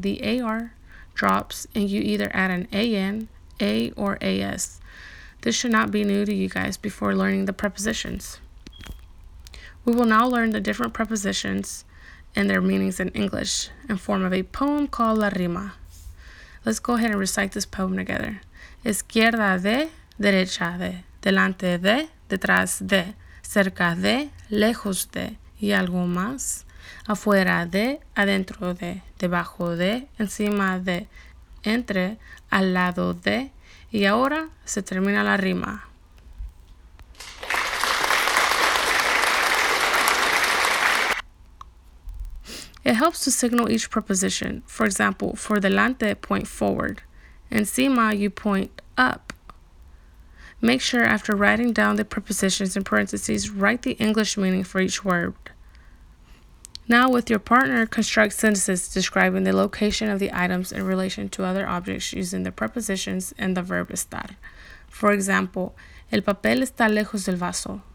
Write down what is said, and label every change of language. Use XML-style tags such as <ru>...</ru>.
<en>The AR drops and you either add an AN, A, or AS. This should not be new to you guys before learning the prepositions. We will now learn the different prepositions and their meanings in English, in form of a poem called La Rima. Let's go ahead and recite this poem together.</en> <es>Izquierda de, derecha de, delante de, detrás de, cerca de, lejos de, y algo más. Afuera de, adentro de, debajo de, encima de, entre, al lado de, y ahora se termina la rima.</es> <en>It helps to signal each preposition. For example, for delante, point forward. Encima, you point up. Make sure after writing down the prepositions in parentheses, write the English meaning for each word. Now, with your partner, construct sentences describing the location of the items in relation to other objects using the prepositions and the verb estar. For example,</en> <es>el papel está lejos del vaso.</es>